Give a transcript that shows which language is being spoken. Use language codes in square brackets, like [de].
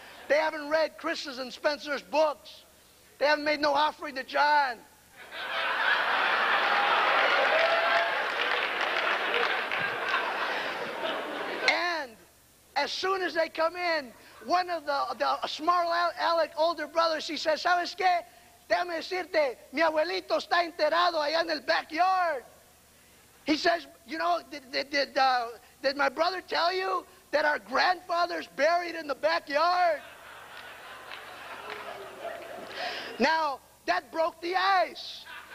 [en] They haven't read Chris's and Spencer's books. They haven't made no offering to John. And as soon as they come in, one of the small Alec older brothers, he says, [es] ¿Sabes qué? Déjame decirte, mi abuelito está enterrado allá en el backyard. [en] He says, you know, did my brother tell you that our grandfather's buried in the backyard? Now, that broke the ice.